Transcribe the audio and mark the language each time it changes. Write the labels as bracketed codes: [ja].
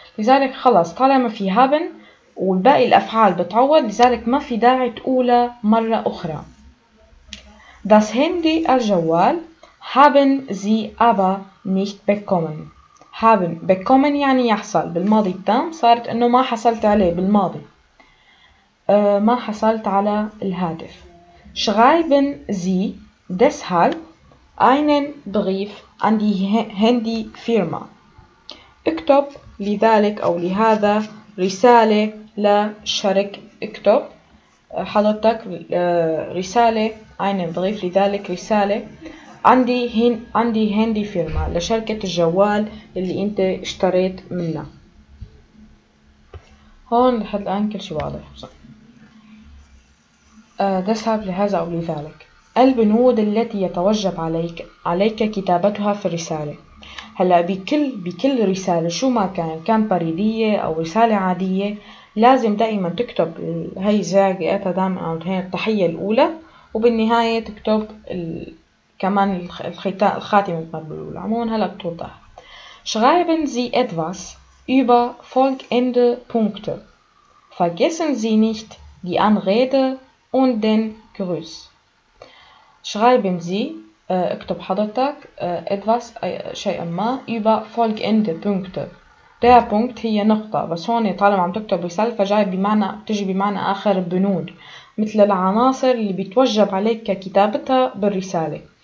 [ar] لذلك خلاص طالما في هابن والباقي الافعال بتعود، لذلك ما في داعي تقولها مرة اخرى. داس هندي الجوال. هابن زي ابا نيشت بكومن. [de] haben bekommen [ar] يعني يحصل بالماضي التام، صارت انه ما حصلت عليه بالماضي، ما حصلت على الهاتف. [de] schreiben sie deshalb einen brief an die handy firma. [ar] اكتب لذلك او لهذا رساله لشرك. اكتب حضرتك رساله، [de] einen brief، [ar] لذلك رساله عندي هندي فيرما، لشركة الجوال اللي انت اشتريت منها. هون لحد الآن كل شيء واضح صح؟ deshalb لهذا أو لذلك. البنود التي يتوجب عليك كتابتها في الرسالة. هلا بكل رسالة شو ما كان، كان بريدية أو رسالة عادية، لازم دائما تكتب هاي زاجئتها دائما أو هاي التحية الأولى، وبالنهاية تكتب كمان الخاتمة مثل ما بيقولوا. عموما هلا بتوضح. [de] Schreiben Sie etwas über folgende Punkte. Vergessen Sie nicht die Anrede und den Gruß. Schreiben Sie [ar] اكتب حضرتك [de] etwas [ar] شيء ما [de] über folgende Punkte. Der Punkt [ar] هي نقطة، بس هون طالما عم تكتب رسالة فجاي بمعنى بتجي بمعنى آخر بنود، مثل العناصر اللي بتوجب عليك كتابتها بالرسالة.